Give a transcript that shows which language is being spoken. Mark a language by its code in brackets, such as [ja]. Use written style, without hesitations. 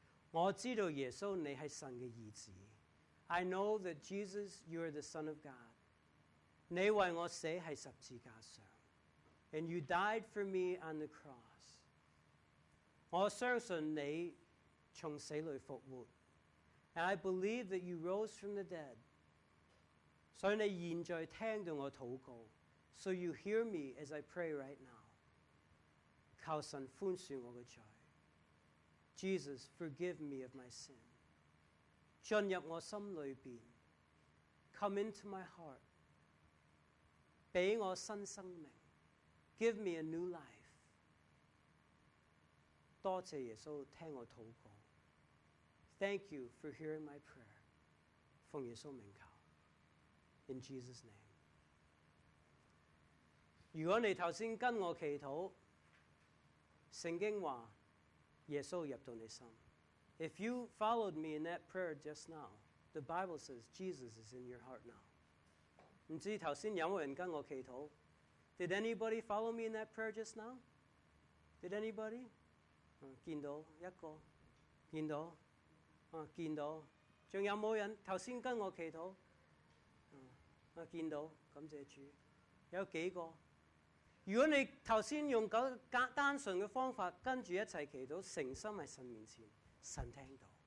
[zh] 我知道耶稣,你是神的儿子。 [en] I know that Jesus, you are the Son of God. [zh] 你为我死在十字架上, [en] and you died for me on the cross. [zh] 我相信你从死里复活, [en] and I believe that you rose from the dead. [zh] 所以你现在听到我祷告, [en] so you hear me as I pray right now. [zh] 求神宽恕我的罪。 [en] Jesus, forgive me of my sin. [zh] 进入我心里边, [en] come into my heart. [zh] 给我新生命, [en] give me a new life. [zh] 多谢耶稣听我祷告。 [en] Thank you for hearing my prayer. [zh] 奉耶稣名求, [en] in Jesus' name. [zh] 如果你刚才跟我祈祷,圣经说,耶稣入到你心。 [en] If you followed me in that prayer just now, the Bible says Jesus is in your heart now. [zh] 不知道刚才有没有人跟我祈祷? [en] Did anybody follow me in that prayer just now? Did anybody? [zh] 见到一个,见到,还有没有人刚才跟我祈祷? 见到,感谢主,有几个? 如果你头先用简单纯的方法跟住一起祈祷，诚心在神面前，神听到。